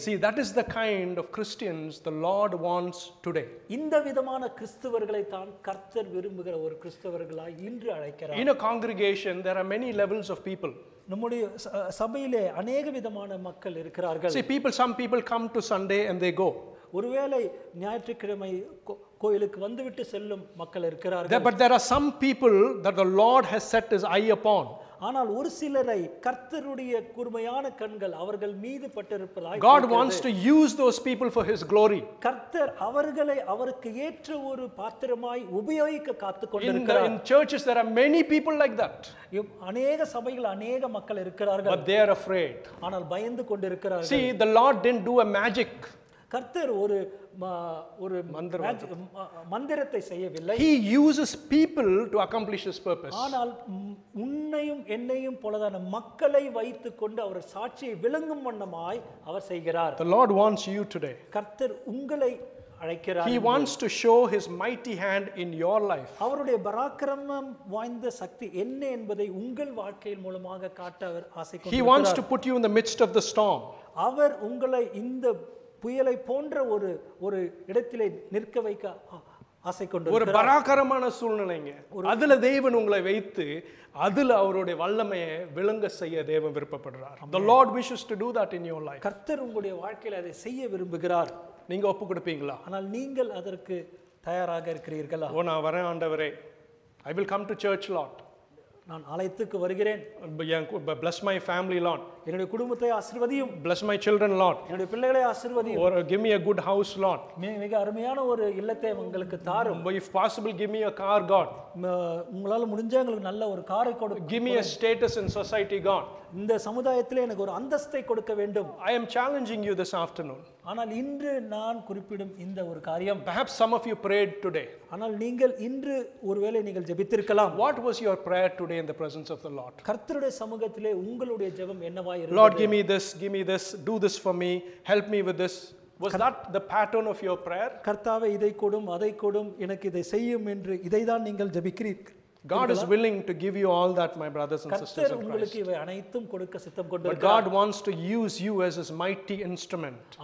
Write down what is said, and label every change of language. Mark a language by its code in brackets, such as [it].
[en] See, that is the kind of Christians the Lord wants today. [ta] இந்த விதமான கிறிஸ்தவர்களை தான் கர்த்தர் விரும்புகிற ஒரு கிறிஸ்தவர்களாய் இன்று அழைக்கிறார். [en] In a congregation there are many levels of people. [ta] நம்முடைய சபையிலே அநேக விதமான மக்கள் இருக்கிறார்கள். [en] See, people, some people come to Sunday and they go. [ta] ஒருவேளை ஞாயிற்றுக்கிழமை கோயிலுக்கு வந்துவிட்டு செல்லும் மக்கள் இருக்கிறார்கள். [en] But there are some people that the Lord has set his eye upon. [ta] ஆனால் ஒரு சிலரை கர்த்தருடைய கூர்மையான கண்கள் அவர்கள் மீது பட்டிருப்பதாய். [en] God wants to use those people for his glory. [ta] கர்த்தர் அவர்களை அவருக்கு ஏற்ற ஒரு பாத்திரமாய் உபயோகிக்க காத்து கொண்டிருக்கிறார். [en] In churches there are many people like that. [ta] அநேக சபைகள் அநேக மக்கள் இருக்கிறார்கள். [en] But they are afraid. [ta] ஆனால் பயந்து கொண்டிருக்கிறார்கள். [en] See, the Lord didn't do a magic. [ta] கர்த்தர் ஒரு ஒரு மந்திரத்தை செய்யவில்லை. [en] He uses people to accomplish his purpose. [ta] ஆனால் உன்னையும் என்னையும் போலதான மக்களை வைத்துக்கொண்டு அவர் சாட்சியை விளங்கும் வண்ணமாய் அவர் செய்கிறார். [en] The Lord wants you today. [ta] கர்த்தர் உங்களை அழைக்கிறார். [en] He wants to show his mighty hand in your life. [ta] அவருடைய பராக்கிரமம் வாய்ந்த சக்தி என்ன என்பதை உங்கள் வாழ்க்கையில் மூலமாக காட்ட அவர் ஆசை கொண்டார். [en] He wants to put you in the midst of the storm. [ta] அவர் உங்களை இந்த புயலை போன்ற ஒரு ஒரு இடத்திலே நிற்க வைக்க ஆசை கொண்டு ஒரு பராக்கிரமான சூழ்நிலைங்க, அதுல தேவன் உங்களை வைத்து அதுல அவருடைய வல்லமையை விளங்க செய்ய தேவன் விருப்பப்படுறார். [en] The Lord wishes to do that in your life. [ta] கர்த்தர் உங்களுடைய வாழ்க்கையில அதை செய்ய விரும்புகிறார். நீங்க ஒப்பு கொடுப்பீங்களா? ஆனால் நீங்கள் அதற்கு தயாராக இருக்கிறீர்களா? ஓ, நான் வரேன் ஆண்டவரே. [en] I will come to church, Lord. [ta] நான் ஆலயத்துக்கு வருகிறேன். [en] Bless my family, Lord. [ta] என்னுடைய குடும்பத்தை ஆசீர்வதியும். [en] Bless my children, Lord. [ta] என்னுடைய பிள்ளைகளை ஆசீர்வதியும். [en] Or give me a good house, Lord. [ta] மிக அருமையான ஒரு இல்லத்தை உங்களுக்கு தாரும். [en] If possible, give me a car, God. [ta] உங்களால முடிஞ்ச எங்களுக்கு நல்ல ஒரு காரை கொடு. [en] Give me a status in society, God. [ta] இந்த சமுதாயத்தில் எனக்கு ஒரு அந்தஸ்தை கொடுக்க வேண்டும். [en] I am challenging you this afternoon. [ta] ஆனால் இன்று நான் குறிப்பிடும் இந்த ஒரு காரியம். [en] Perhaps some of you prayed today. [ta] ஆனால் நீங்கள் இன்று ஒருவேளை நீங்கள் ஜெபித்திருக்கலாம். [en] What was your prayer today in the presence of the Lord? [ta] கர்த்தருடைய சமூகத்திலே உங்களுடைய ஜெபம் என்னவாய் இருந்தது? [en] Lord, give me this, do this for me, help me with this. Was that the pattern of your prayer? [ta] கர்த்தாவே இதை கொடும் அதை கொடும் எனக்கு இதை செய்யும் என்று இதைதான் நீங்கள் ஜெபிக்கிறீர்கள். [en] God is willing to give you all that, my brothers and sisters in Christ. [ta] உங்களுக்கு இவை அனைத்தும் கொடுக்க சித்தம் கொண்டிருக்கிறார். [en] But God wants to use you as his mighty instrument.